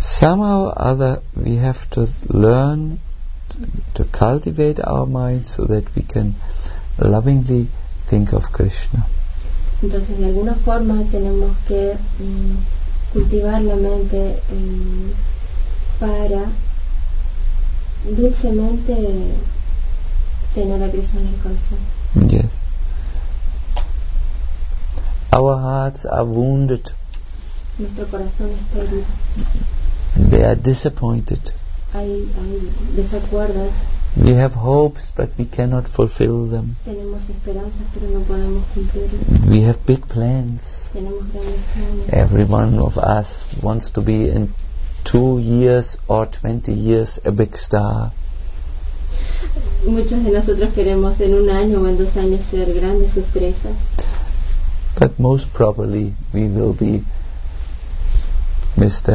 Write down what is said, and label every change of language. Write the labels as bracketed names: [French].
[English] Somehow or other we have to learn to cultivate our mind so that we can lovingly think of Krishna. [Spanish] Entonces, de alguna forma tenemos que cultivar la mente para dulcemente tener a Krishna en el corazón. [English] Yes. Our hearts are wounded. [Spanish] Nuestro corazón está herido. [English] They are disappointed. [Spanish] Hay desacuerdos. [English] We have hopes, but we cannot fulfill them. [Spanish] Tenemos esperanzas, pero no podemos cumplirlas. [English] We have big plans. [Spanish] Tenemos grandes planes. [English] Every one of us wants to be in 2 years or 20 years a big star. [Spanish] Muchos de nosotros queremos en un año o en 2 años ser grandes estrellas. [English] But most probably we will be Mr.